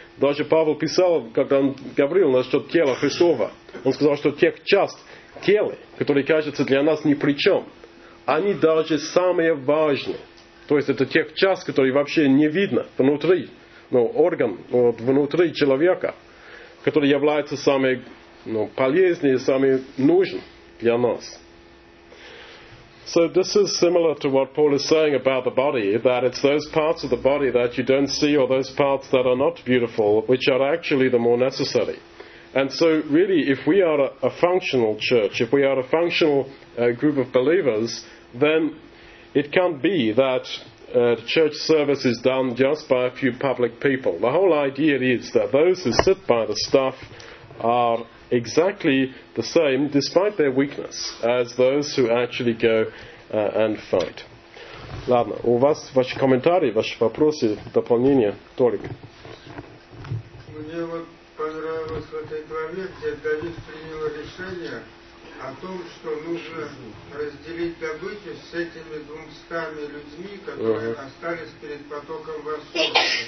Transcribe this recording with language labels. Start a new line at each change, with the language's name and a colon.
Russian: Даже Павел писал, когда он говорил насчет тела Христова, он сказал, что тех часть тела, которые кажутся для нас ни при чем, они даже самые важные. То есть это тех часть, которые вообще не видно внутри, ну, орган вот, внутри человека, который является самой но полезнее и самый нужен для нас.
English: So this is similar to what Paul is saying about the body, that it's those parts of the body that you don't see or those parts that are not beautiful which are actually the more necessary. And so really, if we are a functional church, if we are a functional group of believers, then it can't be that church service is done just by a few public people. The whole idea is that those who sit by the staff are exactly the same, despite their weakness, as those who actually go and fight.
Russian: Ладно, у вас ваши комментарии, ваши вопросы, дополнения, Толик. Мне вот понравилось в этой главе, где Давид принял решение о том, что нужно разделить добычу с этими 200 людьми, которые остались перед потоком Востока.